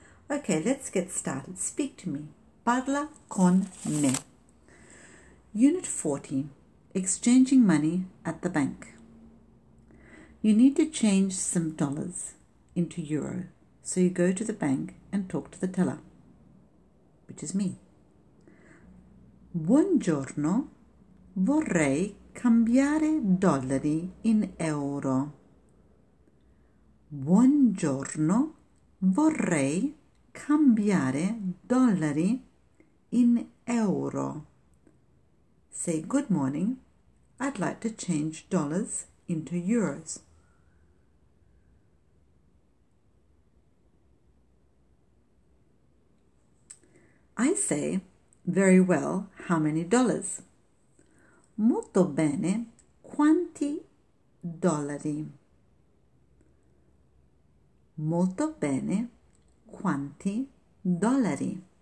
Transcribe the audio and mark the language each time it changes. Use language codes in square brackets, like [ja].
[en] Okay, let's get started. Speak to me. [it] Parla con me. [en] Unit 40. Exchanging money at the bank. You need to change some dollars into euro. So you go to the bank and talk to the teller, which is me. [it] Buongiorno, vorrei cambiare dollari in euro. Buongiorno, vorrei cambiare dollari in euro. [en] Say good morning, I'd like to change dollars into euros. I say, very well, how many dollars? [it] Molto bene, quanti dollari? Molto bene, quanti dollari?